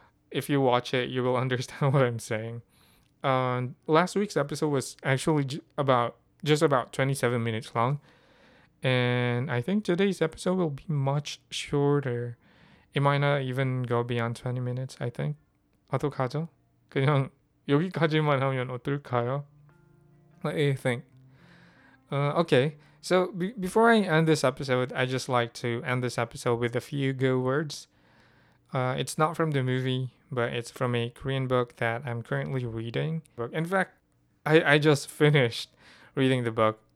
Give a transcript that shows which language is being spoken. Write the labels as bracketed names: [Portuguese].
[English] If you watch it, you will understand what I'm saying. Last week's episode was actually about 27 minutes long. And I think today's episode will be much shorter. It might not even go beyond 20 minutes, I think. [Korean] 어떡하죠? 그냥 여기까지만 하면 어떨까요? [English] What do you think? Okay, so before I end this episode, I just like to end this episode with a few good words. It's not from the movie, but it's from a Korean book that I'm currently reading. In fact, I just finished reading the book.